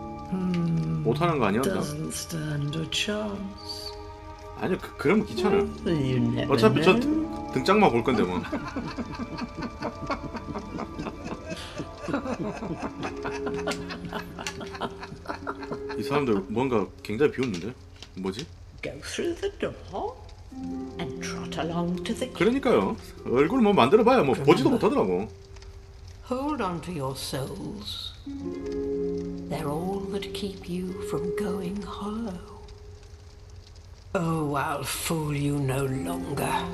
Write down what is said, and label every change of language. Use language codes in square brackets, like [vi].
[en] Hmm. [ko] 못하는 거 아니야? [en] Doesn't stand a chance. [ko] 아니요, 그러면 귀찮아. 어차피 저 등짝만 볼 건데 뭐. 이 사람들 뭔가 굉장히 비웃는데? 뭐지? [en] Go through the door and trot along to the. [ko] 그러니까요. 얼굴 뭐 만들어봐야 뭐 보지도 못하더라고. [en] Hold on to your souls. They're all that keep you from going hollow. Oh, I'll fool you no longer.